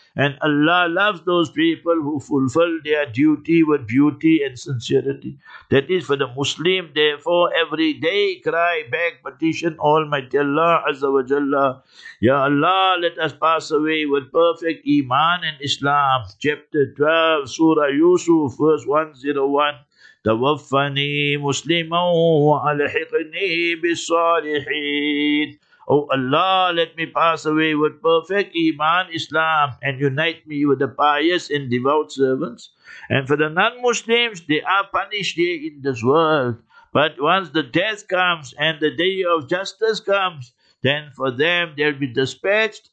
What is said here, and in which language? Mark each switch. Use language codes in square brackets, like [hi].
[en] And Allah loves those people who fulfill their duty with beauty and sincerity. That is for the Muslim. Therefore, every day cry, beg, petition Almighty Allah Azza wa Jalla. Ya Allah, let us pass away with perfect Iman and Islam. Chapter 12, Surah Yusuf, verse 101. [ar] توفني مسلما وألحقني بالصالحين. [en] Oh Allah, let me pass away with perfect Iman, Islam, and unite me with the pious and devout servants. And for the non-Muslims, they are punished here in this world. But once the death comes and the day of justice comes, then for them they'll be dispatched.